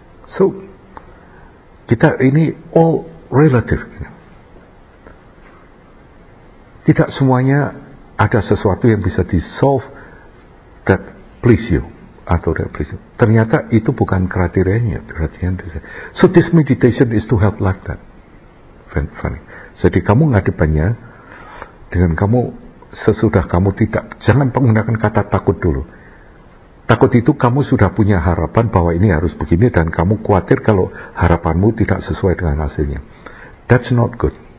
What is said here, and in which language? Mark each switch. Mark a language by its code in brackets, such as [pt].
[en] So, [id] kita ini [en] all relative. [id] Tidak semuanya ada sesuatu yang bisa di-solve [en] that please you. [id] Atau that please you. Ternyata itu bukan kriterianya. [en] So, this meditation is to help like that. Funny. [id] Jadi kamu ngadepannya dengan kamu sesudah kamu tidak, jangan menggunakan kata takut dulu. Takut itu kamu sudah punya harapan bahwa ini harus begini dan kamu khawatir kalau harapanmu tidak sesuai dengan hasilnya. [en] That's not good.